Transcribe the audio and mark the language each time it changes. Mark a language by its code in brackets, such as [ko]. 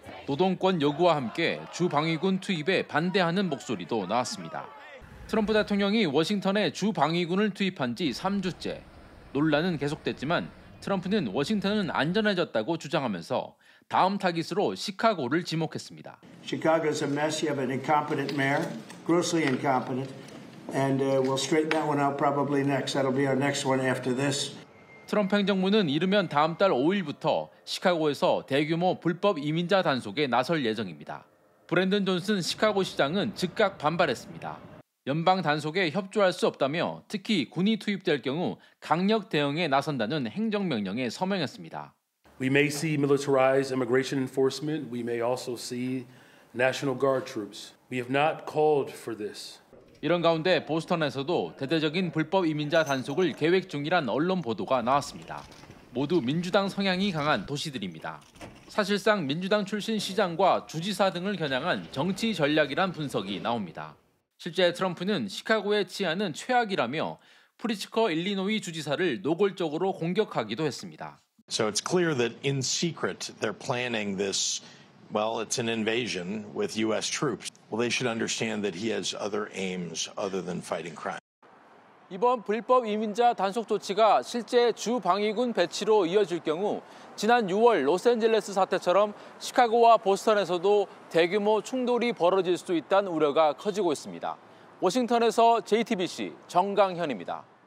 [ko] 노동권 요구와 함께 주 방위군 투입에 반대하는 목소리도 나왔습니다. 트럼프 대통령이 워싱턴에 주방위군을 투입한 지 3주째. 논란은 계속됐지만 트럼프는 워싱턴은 안전해졌다고 주장하면서 다음 타깃으로 시카고를 지목했습니다. [en] Chicago is a mess. You have an incompetent mayor, grossly incompetent, and we'll straighten that one out probably next. That'll be our next one after this. [ko] 트럼프 행정부는 이르면 다음 달 5일부터 시카고에서 대규모 불법 이민자 단속에 나설 예정입니다. 브랜든 존슨 시카고 시장은 즉각 반발했습니다. 연방 단속에 협조할 수 없다며 특히 군이 투입될 경우 강력 대응에 나선다는 행정명령에 서명했습니다. [en] We may see militarized immigration enforcement. We may also see National Guard troops. We have not called for this. [ko] 이런 가운데 보스턴에서도 대대적인 불법 이민자 단속을 계획 중이란 언론 보도가 나왔습니다. 모두 민주당 성향이 강한 도시들입니다. 사실상 민주당 출신 시장과 주지사 등을 겨냥한 정치 전략이란 분석이 나옵니다. 실제 트럼프는 시카고의 치안은 최악이라며 프리츠커 일리노이 주지사를 노골적으로 공격하기도 했습니다. [en] So it's clear that in secret they're planning this. Well, it's an invasion with U.S. troops. Well, they should understand that he has other aims other than fighting crime. [ko] 이번 불법 이민자 단속 조치가 실제 주 방위군 배치로 이어질 경우 지난 6월 로스앤젤레스 사태처럼 시카고와 보스턴에서도 대규모 충돌이 벌어질 수도 있다는 우려가 커지고 있습니다. 워싱턴에서 JTBC 정강현입니다.